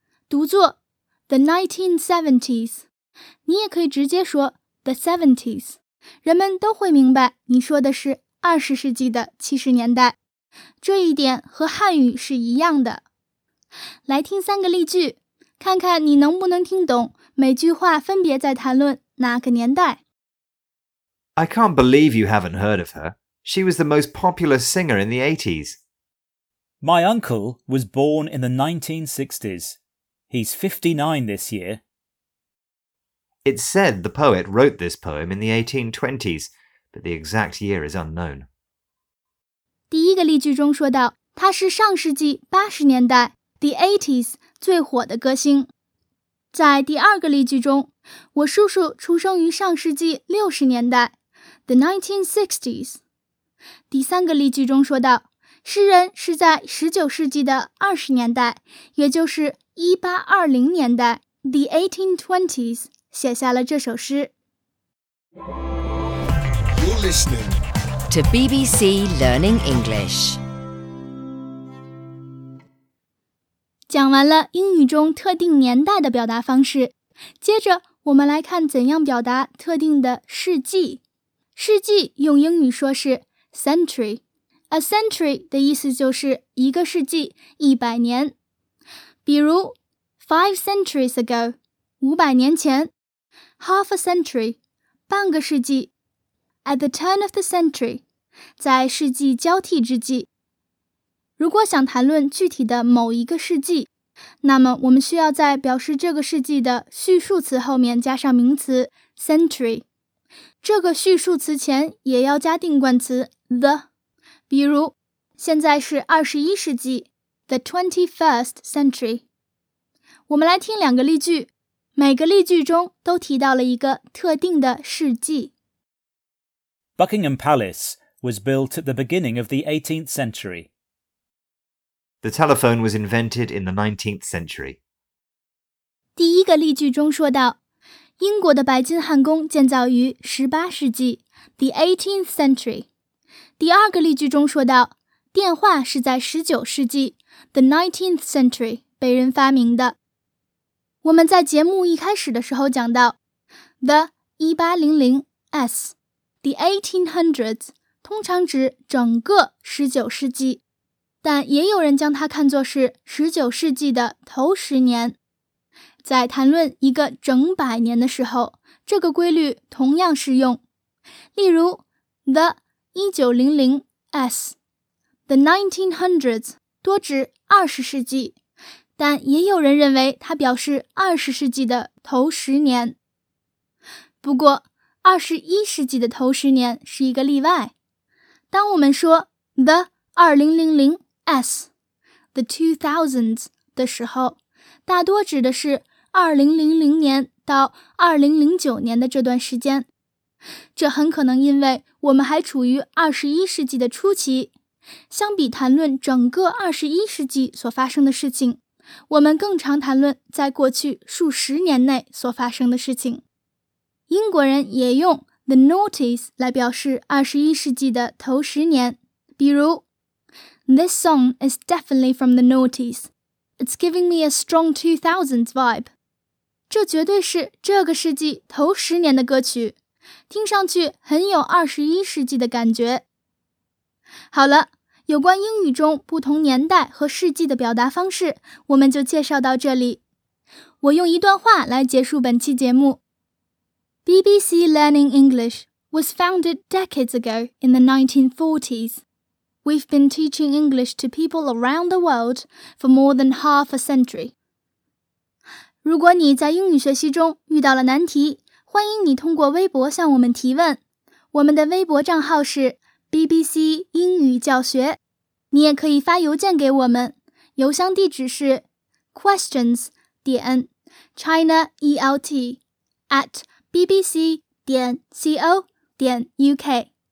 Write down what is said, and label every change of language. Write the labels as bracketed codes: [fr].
[zh] 读作 [en] the 1970s， [zh] 你也可以直接说 [en] the 70s， [zh] 人们都会明白你说的是20世纪的70年代，这一点和汉语是一样的。来听三个例句，看看你能不能听懂每句话分别在谈论哪个年代。 [en] I can't believe you haven't heard of her. She was the most popular singer in the 80s. My uncle was born in the 1960s. He's 59 this year. It's said the poet wrote this poem in the 1820s, but the exact year is unknown. [zh] 第一个例句中说到，他是上世纪80年代 [en] The 80s [zh] 最火的歌星。在第二个例句中，我叔叔出生于上世纪60年代 [en] The 1960s。 [zh] 第三个例句中说到，诗人是在19世纪的20年代，也就是1820年代 [en] The 1820s [zh] 写下了这首诗。 [en] You're listening. To BBC Learning English. [zh] 讲完了英语中特定年代的表达方式，接着我们来看怎样表达特定的世纪。世纪用英语说是 century. [en] A century [zh] 的意思就是一个世纪，一百年。比如 [en] 5 centuries ago, [zh] 五百年前， [en] half a century, [zh] 半个世纪。 [en] At the turn of the century, [zh] 在世纪交替之际。如果想谈论具体的某一个世纪，那么我们需要在表示这个世纪的叙述词后面加上名词 century。这个叙述词前也要加定冠词 the。比如，现在是21世纪， [en] the 21st century. [zh] 我们来听两个例句，每个例句中都提到了一个特定的世纪。 [en] Buckingham Palace was built at the beginning of the 18th century. The telephone was invented in the 19th century. [zh] 第一个例句中说到，英国的白金汉宫建造于18世纪 , [en] the 18th century. [zh] 第二个例句中说到，电话是在19世纪 , [en] the 19th century, [zh] 被人发明的。我们在节目一开始的时候讲到 , [en] the 1800s, the 1800s, [zh] 通常指整个19世纪。但也有人将它看作是19世纪的头十年。在谈论一个整百年的时候，这个规律同样适用。例如 , [en] the 1900s, the 1900s, [zh] 多指20世纪。但也有人认为它表示20世纪的头十年。不过 ,21 世纪的头十年是一个例外。当我们说 [en] the 2000s, the 2000s [zh] 的时候，大多指的是2000年到2009年的这段时间。这很可能因为我们还处于21世纪的初期。相比谈论整个21世纪所发生的事情，我们更常谈论在过去数十年内所发生的事情。英国人也用 [en] the noughties [zh] 来表示21世纪的头十年。比如 [en] This song is definitely from the noughties. It's giving me a strong 2000s vibe. [zh] 这绝对是这个世纪头十年的歌曲，听上去很有21世纪的感觉。好了，有关英语中不同年代和世纪的表达方式，我们就介绍到这里。我用一段话来结束本期节目。 [en] BBC Learning English was founded decades ago in the 1940s. We've been teaching English to people around the world for more than half a century. [zh] 如果你在英语学习中遇到了难题，欢迎你通过微博向我们提问。我们的微博账号是BBC 英语教学，你也可以发邮件给我们，邮箱地址是 questions.chinaelt@bbc.co.uk。